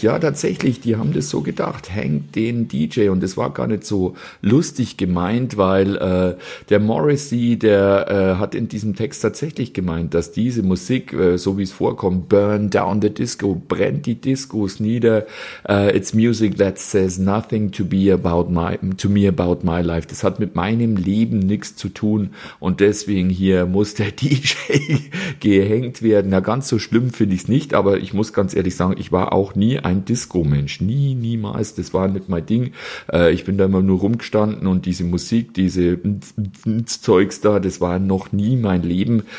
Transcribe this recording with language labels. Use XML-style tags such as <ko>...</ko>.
<de>Ja, tatsächlich, die haben das so gedacht, Hang den DJ. Und das war gar nicht so lustig gemeint, weil der Morrissey, der hat in diesem Text tatsächlich gemeint, dass diese Musik, so wie es vorkommt,</de> <en>burn down the disco,</en> <de>brennt die Discos nieder.</de> <en>It's music that says nothing to me about my life.</en> <de>Das hat mit meinem Leben nichts zu tun. Und deswegen hier muss der DJ gehängt werden. Ganz so schlimm finde ich es nicht, aber ich muss ganz ehrlich sagen, ich war auch nie ein Disco-Mensch. Niemals. Das war nicht mein Ding. Ich bin da immer nur rumgestanden und diese Musik, diese Zeugs da, das war noch nie mein Leben.</de>